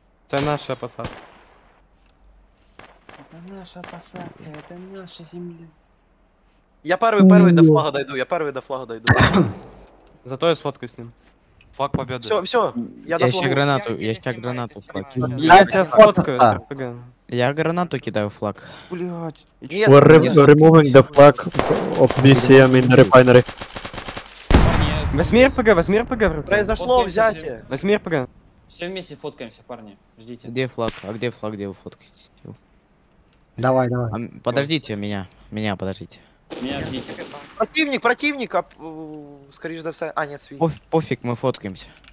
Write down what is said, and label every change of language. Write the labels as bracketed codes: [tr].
[ru] Это наша посадка, это наша земля. Я первый до флага дойду. Зато я сфоткаюсь с ним. Флаг победы. Все, все. Я дошел. Еще гранату, я сейчас гранату. Я тебя сфоткаю. Я гранату кидаю флаг. Блять. [en] We're removing the flag of BCM in refinery. [ru] Возьми РПГ, возьми РПГ. Произошло взятие. Возьми РПГ. Все вместе фоткаемся, парни. Ждите. Где флаг? А где флаг, где вы фоткаете? Давай, давай. А, подождите меня. Меня подождите. Меня ждите. Противник, противник. А, скорее всего, а, нет, свиньи. Пофиг, мы фоткаемся.